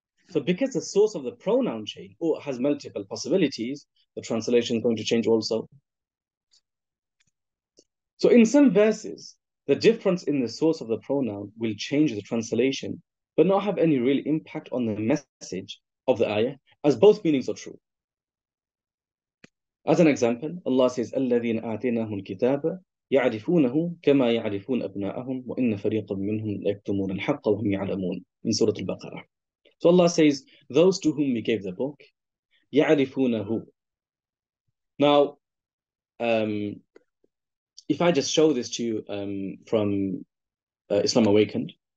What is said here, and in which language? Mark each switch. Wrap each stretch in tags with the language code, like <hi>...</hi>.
<en>So because the source of the pronoun chain has multiple possibilities, the translation is going to change also. So in some verses, the difference in the source of the pronoun will change the translation, but not have any real impact on the message of the ayah, as both meanings are true. As an example, Allah says,</en> <ar>الَّذِينَ آتَيْنَاهُمُ الْكِتَابَ يَعْرِفُونَهُ كَمَا يَعْرِفُونَ أَبْنَاءَهُمْ وَإِنَّ فَرِيقًا مِّنْهُمْ لَيَكْتُمُونَ الْحَقَّ وَهُمْ يَعْلَمُونَ</ar> <en>in Surah Al-Baqarah. So Allah says, those to whom we gave the book, يَعْرِفُونَهُ. Now, if I just show this to you from Islam Awakened.</en>